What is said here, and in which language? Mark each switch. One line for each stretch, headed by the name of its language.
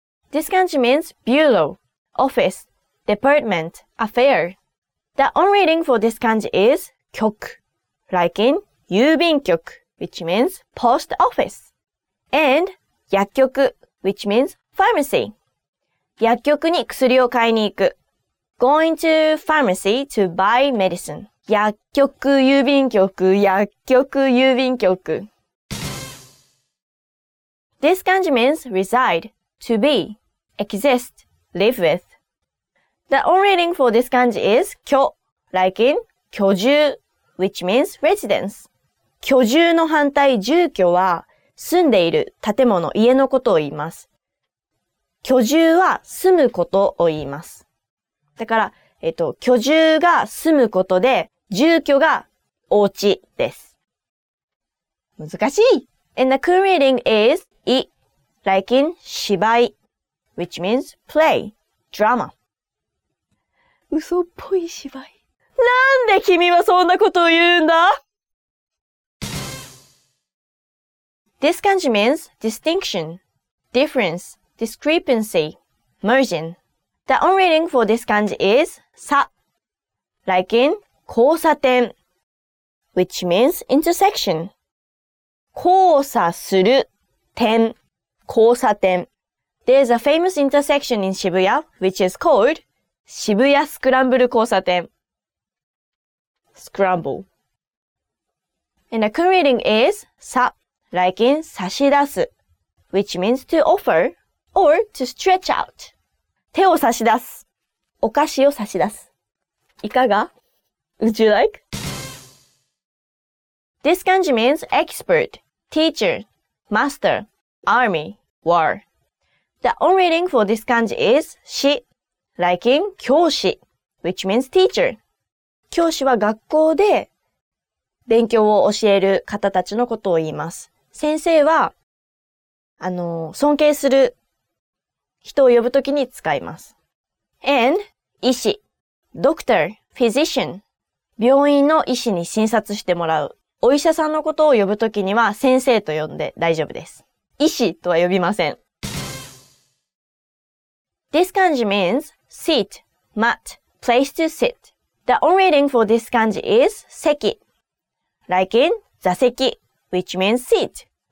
English: This kanji means bureau, office, department, affair. The on reading for this kanji is 局, like in 郵便局, which means post office, and 薬局, which means pharmacy.
Japanese: 薬局に薬を買いに行く。
English: Going to pharmacy to buy medicine.
Japanese: 薬局郵便局、薬局郵便局。
English: This kanji means reside, to be, exist, live with. The on reading for this kanji is 居, like in 居住, which means residence.
Japanese: 居住の反対住居は住んでいる建物、家のことを言います。居住は住むことを言います。だから、居住が住むことで、住居がお家です。難しい。
English: And the cool reading is い、like in 芝居、which means play, drama.
Japanese: 嘘っぽい芝居。なんで君はそんなことを言うんだ？
English: This kanji means distinction, difference, discrepancy, merging. The on reading for this kanji is さ、like in 交差点、which means intersection.
Japanese: 交差する点、交差点。
English: There's a famous intersection in Shibuya, which is called
Japanese: 渋谷スクランブル交差点。
English: Scramble. And the current reading is さ、like in 差し出す、which means to offer or to stretch out.
Japanese: 手を差し出す、お菓子を差し出す。いかが？
English: Would you like? This kanji means expert, teacher, master, army, war. The on reading for this kanji is し、like in 教師、which means teacher.
Japanese: 教師は学校で勉強を教える方たちのことを言います。先生は、尊敬する人を呼ぶときに使います。
English: And 医師、doctor, physician,
Japanese: 病院の医師に診察してもらう。お医者さんのことを呼ぶときには先生と呼んで大丈夫です。医師とは呼びません。
English: This kanji means seat, mat, place to sit. The on reading for this kanji is 席, like in 座席, which means seat.